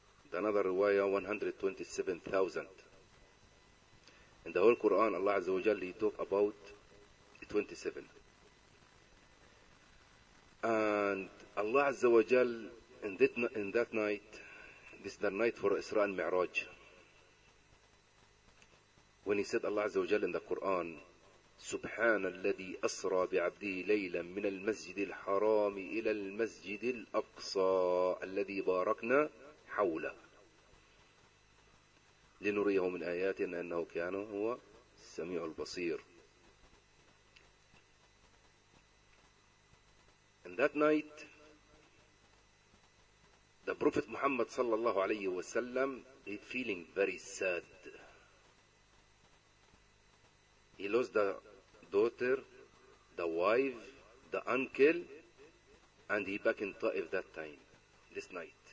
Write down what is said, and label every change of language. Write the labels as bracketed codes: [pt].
[en] The another riwayah 127,000. In the whole Quran, Allah Azza wa Jalla, he talk about 27. And Allah Azza wa Jalla, in that night, this is the night for Isra and Mi'raj. When he said Allah Azza wa Jalla in the Quran, [ar] سبحان الذي أسرى بعبده ليلا من المسجد الحرام إلى المسجد الأقصى الذي باركنا حوله. لنريه من آياتنا أنه كان هو السميع البصير. [en] In that night, the Prophet Muhammad صلى الله عليه وسلم he feeling very sad. He lost the daughter, the wife, the uncle, and he back in Taif that time, this night.